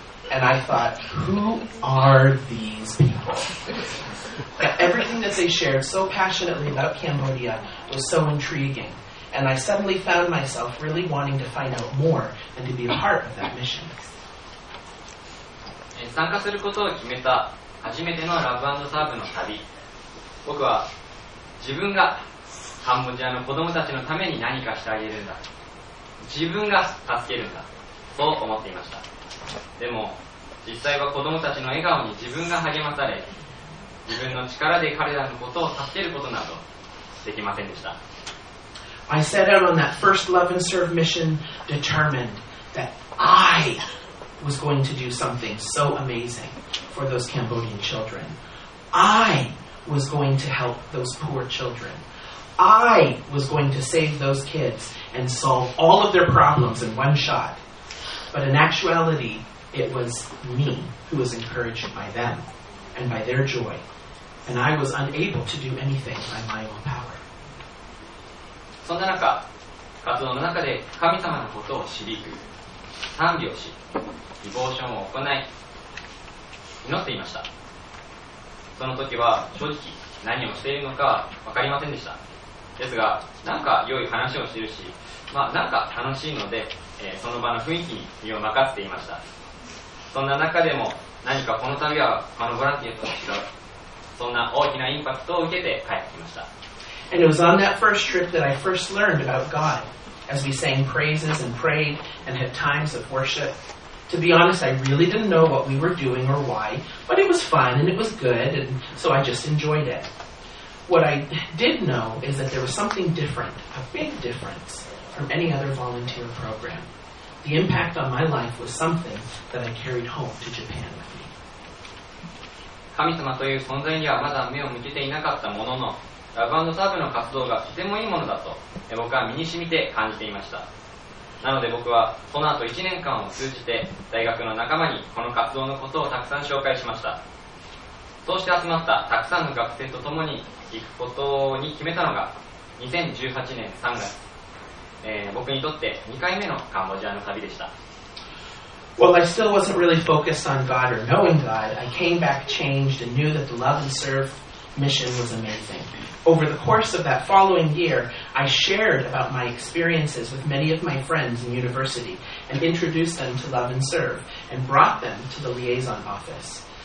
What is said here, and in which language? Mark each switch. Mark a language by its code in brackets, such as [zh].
[en] And I thought, who are these people? But everything that they shared so passionately about Cambodia was so intriguing. And I suddenly found myself really wanting to find out more and to be a part of that mission. [ja] 参加することを決めた初めてのラブ&サーブの旅。僕は自分がカンボジアの子供たちのために何かしてあげるんだ。自分が助けるんだ。と思っていました。でも実際は子供たちの笑顔に自分が励まされ、自分の力で彼らのことを助けることなどできませんでした。 [en] I set out on that first Love and Serve mission determined that I was going to do something so amazing for those Cambodian children. I was going to help those poor children. I was going to save those kids and solve all of their problems in one shot. But in actuality, it was me who was encouraged by them and by their joy. And I was unable to do anything by my own power. [ja] そんな中、活動の中で神様のことを知り、賛美をし、ディボーションを行い、祈っていました。その時は正直何をしているのか分かりませんでした。ですが、なんか良い話をしているし、まあなんか楽しいので、その場の雰囲気に身を任せていました。そんな中でも、何かこの旅は他のボランティアとは違う、そんな大きなインパクトを受けて帰ってきました。 [en] And it was on that first trip that I first learned about God, as we sang praises and prayed and had times of worship. To be honest, I really didn't know what we were doing or why, but it was fun and it was good, and so I just enjoyed it. What I did know is that there was something different, a big difference, from any other volunteer program. The impact on my life was something that I carried home to Japan with me. [ja] 神様という存在にはまだ目を向けていなかったものの、ラブ&サーブの活動がとてもいいものだと僕は身に染みて感じていました。なので僕はこの後1年間を通じて大学の仲間にこの活動のことをたくさん紹介しました。そうして集まったたくさんの学生と共に行くことに決めたのが2018年3月、僕にとって2回目のカンボジアの旅でした。 [en] Well, I still wasn't really focused on God or knowing God. I came back changed and knew that the love and serve mission was amazing. Over the course of that following year, I shared about my experiences with many of my friends in university and introduced them to Love and Serve and brought them to the liaison office.